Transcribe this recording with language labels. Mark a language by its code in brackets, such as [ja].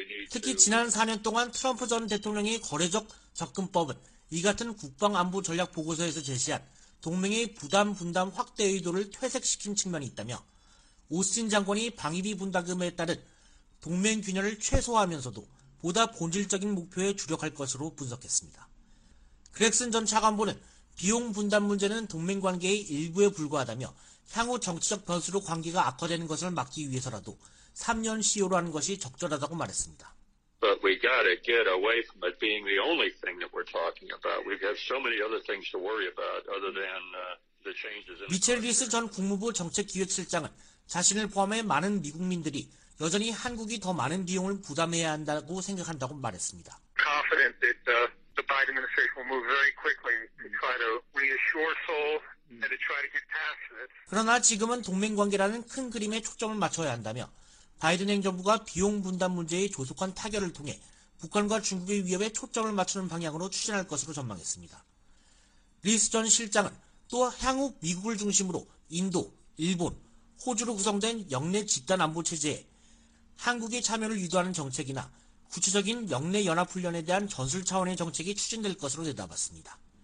[ko] 특히 지난 4년 동안 트럼프 전 대통령의 거래적 접근법은 이 같은 국방안보전략보고서에서 제시한 동맹의 부담 분담 확대 의도를 퇴색시킨 측면이 있다며 오스틴 장관이 방위비 분담금에 따른 동맹 균열을 최소화하면서도 보다 본질적인 목표에 주력할 것으로 분석했습니다. 그렉슨 전 차관보는 비용 분담 문제는 동맹관계의 일부에 불과하다며 향후 정치적 변수로 관계가 악화되는 것을 막기 위해서라도 3년 시효로 하는 것이 적절하다고 말했습니다. [en] But we got to get away from it being the only thing that we're talking about. We have so many other things to worry about other than the changes in [ko] 미첼 리스 전 국무부 정책기획실장은 자신을 포함해 많은 미국민들이 여전히 한국이 더 많은 비용을 부담해야 한다고 생각한다고 말했습니다. [en] Confident that the Biden administration will move very quickly to try to reassure Seoul and to try to get past it. [ko] 그러나 지금은 동맹관계라는 큰 그림에 초점을 맞춰야 한다며 바이든 행정부가 비용 분담 문제의 조속한 타결을 통해 북한과 중국의 위협에 초점을 맞추는 방향으로 추진할 것으로 전망했습니다. 리스 전 실장은 또 향후 미국을 중심으로 인도, 일본, 호주로 구성된 영내 집단 안보 체제에 한국의 참여를 유도하는 정책이나 구체적인 영내 연합훈련에 대한 전술 차원의 정책이 추진될 것으로 내다봤습니다.